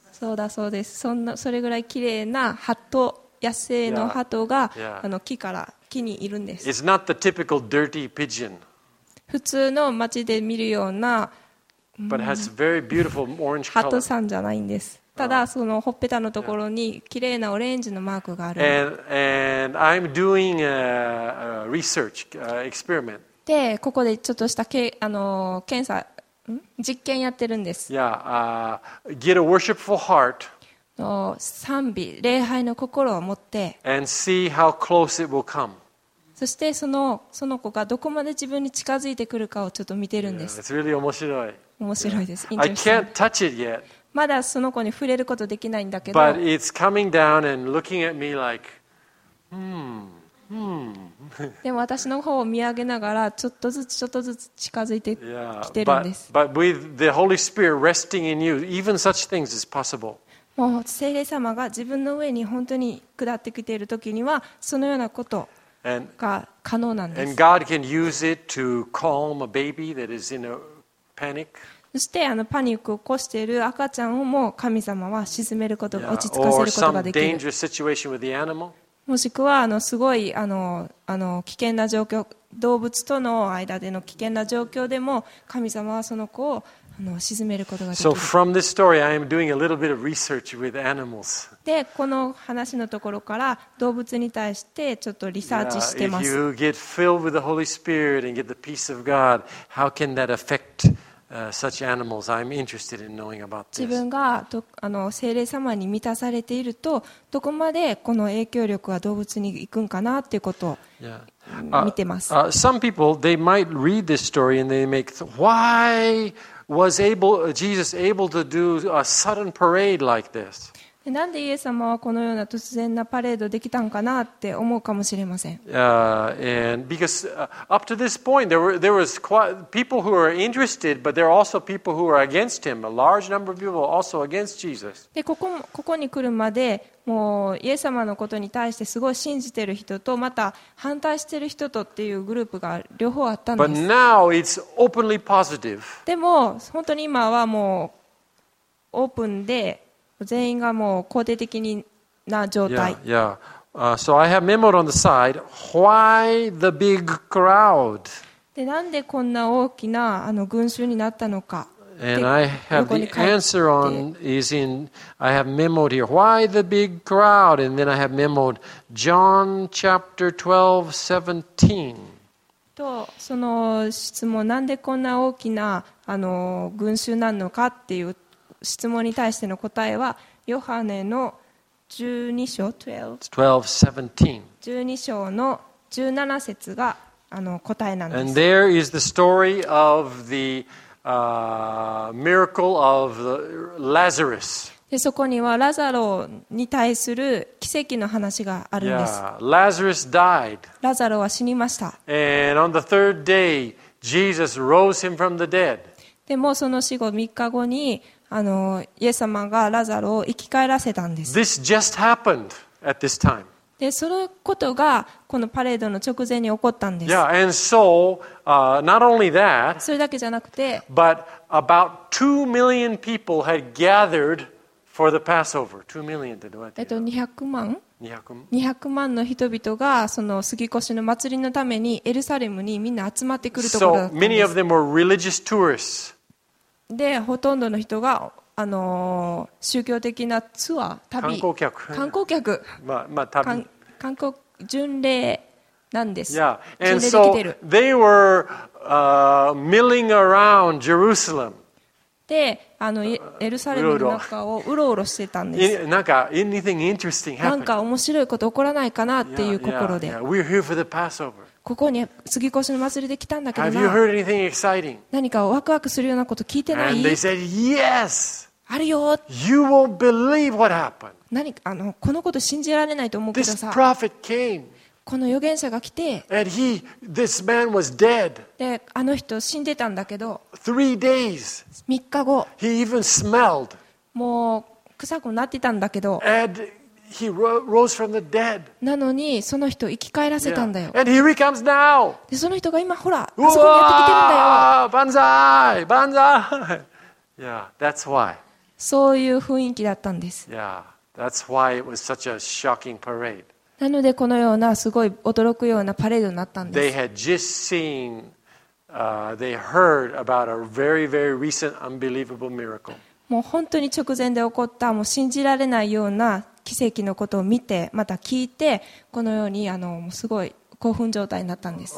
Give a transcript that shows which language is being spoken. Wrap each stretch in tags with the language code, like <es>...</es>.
<ja>そうだそうです それぐらい綺麗な鳩野生の鳩が木にいるんです</ja> <en>It's not the typical dirty pigeon.</en> <ja>普通の街で見るような</ja> <en>But it has very beautiful orange color.</en> <ja>鳩さんじゃないんですただそのほっぺたのところに綺麗なオレンジのマークがある。</ja> <en>And I'm doing a research experiment.</en> <ja>で、ここでちょっとした検査、実験やってるんです。</ja> <en>Get a worshipful heart.</en> <ja>賛美、礼拝の心を持って。</ja> <en>And see how close it will come.</en> <ja>そしてその子がどこまで自分に近づいてくるかをちょっと見てるんです。</ja> <en>It's really</en> <ja>面白いです。</ja> <en>Yeah. I can't touch it yet.</en> <ja>まだその子に触れることできないんだけど。でも私の方を見上げながらちょっとずつちょっとずつ近づいてきてるんです。</ja> <en>But with the Holy Spirit resting in you, even such things is possible.</en> <ja>もう聖霊様が自分の上に本当に下ってきている時にはそのようなことが可能なんです。</ja> <en>And God can use it to calm a baby that is in a panic.</en> <ja>そしてパニックを起こしている赤ちゃんをも神様は沈めること落ち着かせることができる。</ja> <en>Yeah, or some</en> <ja>もしくはすごい危険な状況、動物との間での危険な状況でも神様はその子を沈めることができる。</ja> <en>So from this story, I am doing a little bit of research with animals.</en> <ja>でこの話のところから動物に対してちょっとリサーチしてます。</ja> <en>Yeah, if you get filled with the Holy Spirit and get the peace of God, how can that affect? Such animals. I'm interested in knowing about this.</en> <ja>自分が聖霊様に満たされているとどこまでこの影響力は動物に行くんかなっていうことを見てます。</ja> <en>Some people they might read this story and they make why was able Jesus able to do a sudden parade like this?</en> <ja>なんでイエス様はこのような突然なパレードできたんかなって思うかもしれません。</ja> <en>And because up to this point there was people who were interested, but there are also people who are against him. A large number of people also against Jesus.</en> <ja>でここに来るまで、もうイエス様のことに対してすごい信じてる人とまた反対してる人とっていうグループが両方あったんです。</ja> <en>But now it's openly positive.</en> <ja>でも本当に今はもうオープンで。全員がもう肯定的にな状態。</ja> <en>Yeah, yeah. So I have memoed on the side. Why the big crowd?</en> <ja>で、なんでこんな大きな群衆になったのか。</ja> <en>And I have the answer on is in I have memoed here. Why the big crowd? And then I have memoed John chapter 12:17.</en> <ja>とその質問、なんでこんな大きな群衆なのかっていう。質問に対しての答えはヨハネの12章の17節が答えなんです。</ja> <en>And there is the story of the miracle of Lazarus.</en> <ja>でそこにはラザロに対する奇跡の話があるんです。</ja> <en>Yeah, Lazarus died.</en> <ja>ラザロは死にました。</ja> <en>And on the third day, Jesus rose him from the dead.</en> <ja>でもその死後3日後にイエス様がラザロを生き返らせたんです。</ja> <en>This just happened at this time.</en> <ja>で、そのことがこのパレードの直前に起こったんです。</ja> <en>Yeah, and so, not only that,</en> <ja>それだけじゃなくて、</ja> <en>but about 2 million people had gathered for the Passover. 2 million</en> <ja>ってどうやって言うの？ 200万の人々がその過ぎ越しの祭りのためにエルサレムにみんな集まってくるところだったんです。</ja> <en>So many of them were religious tourists.</en> <ja>で、ほとんどの人が宗教的なツアー、旅、観光客、まあ、旅、観光巡礼なんです。</ja> <en>Yeah. And so they were milling around Jerusalem.</en> <ja>で、エルサレムの中をうろうろしてたんです。</ja> <en>なんか anything interesting happened?</en> <ja>なんか面白いこと起こらないかなっていう心で。</ja> <en>We're here for the Passover.</en> <ja>ここに過ぎ越しの祭りで来たんだけどな。何かワクワクするようなこと聞いてない？</ja> <en>And they said, yes!</en> <ja>あるよ。</ja> <en>You won't believe what happened.</en> <ja>何かこのこと信じられないと思うけどさ。</ja> <en>This prophet came.</en> <ja>この預言者が来て。</ja> <en>And he, this man was dead.</en> <ja>で、あの人死んでたんだけど。</ja> <en>Three days.</en> <ja>三日後。</ja> <en>He even smelled.</en> <ja>もう臭くなってたんだけど。</ja> <en>And He rose from the dead.</en> <ja>なのにその人生き返らせたんだよ。</ja> <en>Yeah. And here he comes now.</en> <ja>でその人が今ほらそこにやってきてるんだよ。バンザイ、バンザイ。</ja> <en>Yeah, that's why.</en> <ja>そういう雰囲気だったんです。</ja> <en>Yeah, that's why it was such a shocking parade.</en> <ja>なのでこのようなすごい驚くようなパレードになったんです。</ja> <en>They had just seen, they heard about a very, very recent unbelievable miracle.</en> <ja>もう本当に直前で起こったもう信じられないような奇跡のことを見てまた聞いてこのようにすごい興奮状態になったんです。</ja>